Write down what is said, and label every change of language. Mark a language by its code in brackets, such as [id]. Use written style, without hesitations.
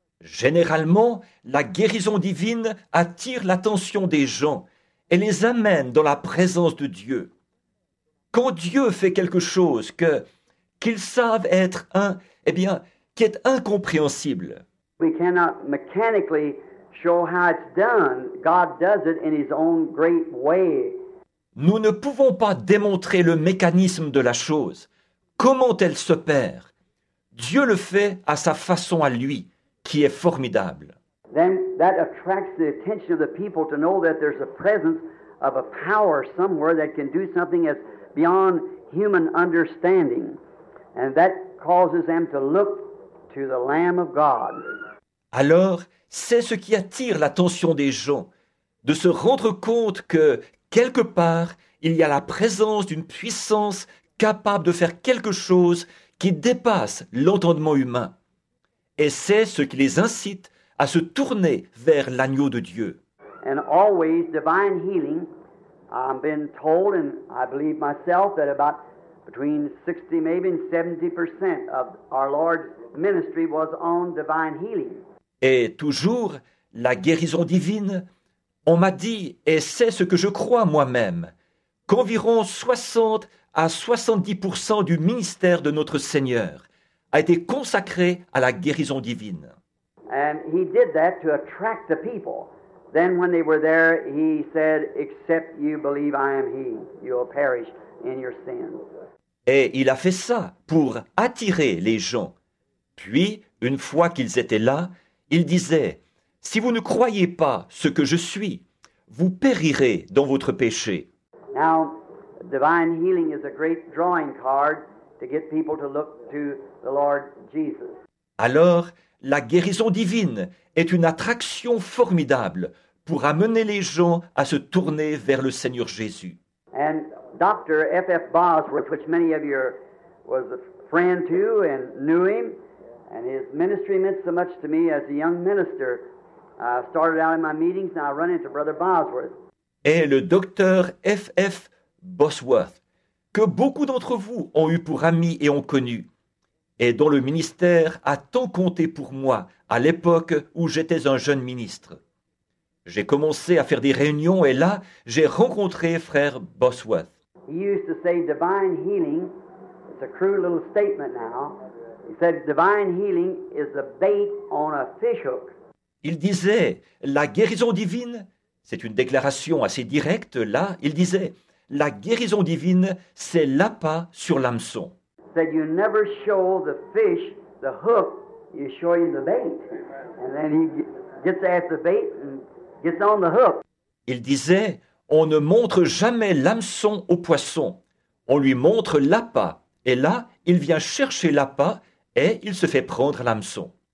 [fr] Généralement, la guérison divine attire l'attention des gens et les amène dans la présence de Dieu. Quand Dieu fait quelque chose qu'ils savent être qui est incompréhensible. [en] We cannot mechanically show how it's done. God does it in his own great way. [fr] Nous ne pouvons pas démontrer le mécanisme de la chose. Comment elle s'opère? Dieu le fait à sa façon à lui, qui est formidable. [en] Then that attracts the attention of the people to know that there's a presence of a power somewhere that can do something that's beyond human understanding. And that causes them to look to the Lamb of God. [fr] Alors, c'est ce qui attire l'attention des gens, de se rendre compte que, quelque part, il y a la présence d'une puissance capable de faire quelque chose qui dépasse l'entendement humain. Et c'est ce qui les incite à se tourner vers l'agneau de Dieu. [en] And always divine healing, I've been told, and I believe myself, that about between 60, maybe 70% of our Lord's ministry was on divine healing. [fr] Et toujours, la guérison divine, on m'a dit, et c'est ce que je crois moi-même, qu'environ 60 à 70% du ministère de notre Seigneur a été consacré à la guérison divine. [en] And he did that to attract the people. Then when they were there, he said, except you believe I am he, you will perish in your sins. [fr] Et il a fait ça pour attirer les gens. Puis, une fois qu'ils étaient là, il disait, « Si vous ne croyez pas ce que je suis, vous périrez dans votre péché. » [en] Now, divine healing is a great drawing card to get people to look to the Lord Jesus. [fr] Alors, la guérison divine est une attraction formidable pour amener les gens à se tourner vers le Seigneur Jésus. [en] And Dr. F.F. Bosworth, which many of you was a friend to and knew him, and his ministry meant so much to me as a young minister. I started out in my meetings and I run into Brother Bosworth. [fr] Et le Dr. F.F. Bosworth, que beaucoup d'entre vous ont eu pour ami et ont connu, et dont le ministère a tant compté pour moi à l'époque où j'étais un jeune ministre. J'ai commencé à faire des réunions et là, j'ai rencontré frère Bosworth. [en] He used to say divine healing, it's a crude little statement now. He said divine healing is a bait on a fish hook. [fr] Il disait, la guérison divine, c'est une déclaration assez directe là, il disait, la guérison divine, c'est l'appât sur l'hameçon. [en] That you never show the fish the hook, you show him the bait. And then he gets at the bait and gets on the hook. [fr] Il disait, on ne montre jamais l'hameçon au poisson. On lui montre l'appât. Et là, il vient chercher l'appât et il se fait prendre l'hameçon.